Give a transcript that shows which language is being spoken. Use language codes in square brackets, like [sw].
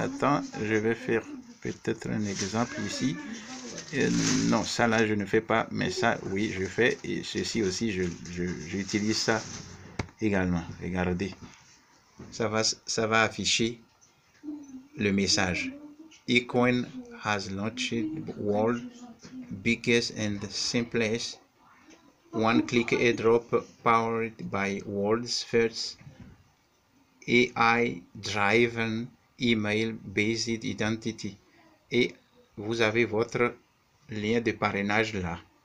[fr] Attends, je vais faire peut-être un exemple ici. Non, ça là, je ne fais pas, mais ça, oui, je fais. Et ceci aussi, j'utilise ça également. Regardez. Ça va afficher le message. [en] Ecoin has launched world biggest and simplest one-click airdrop powered by world's first AI-driven email-based identity. [fr] Et vous avez votre lien de parrainage là.